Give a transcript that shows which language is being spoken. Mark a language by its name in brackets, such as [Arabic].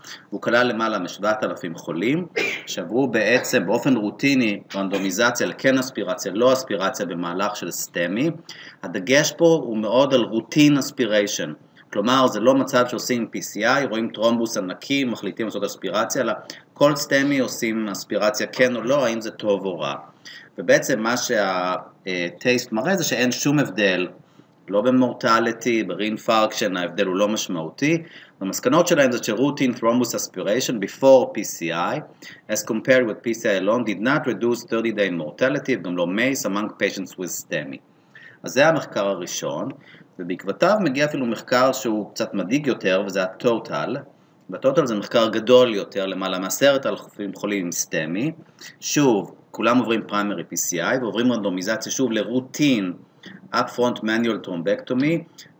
[Hebrew] הוא כלל למעלה מ-7,000 חולים, שעברו בעצם באופן רוטיני רנדומיזציה לכן אספירציה, לא אספירציה במהלך של סטמי, הדגש פה הוא מאוד על רוטין אספיריישן, כלומר, זה לא מצב שעושים PCI, רואים טרומבוס ענקי, מחליטים לעשות אספירציה, אלא כל סטמי עושים אספירציה כן או לא, האם זה טוב או רע. ובעצם מה שהטייסט מראה זה שאין שום הבדל, לא במורטליטי, ברינפרקשן, ההבדל הוא לא משמעותי. המסקנות שלהם זה שרוטין טרומבוס אספיריישן [English] before PCI, as compared with PCI alone, did not reduce 30-day mortality, [Hebrew] גם לא [English] MACE among patients with STEMI. [Hebrew] אז זה המחקר הראשון. ובעקבותיו מגיע אפילו מחקר שהוא קצת מדהיג יותר, וזה הטוטל. והטוטל זה מחקר גדול יותר, למעלה מ-10,000 חולים עם סטמי. שוב, כולם עוברים פריימרי PCI, ועוברים רנדומיזציה שוב לרוטין upfront manual thrombectomy.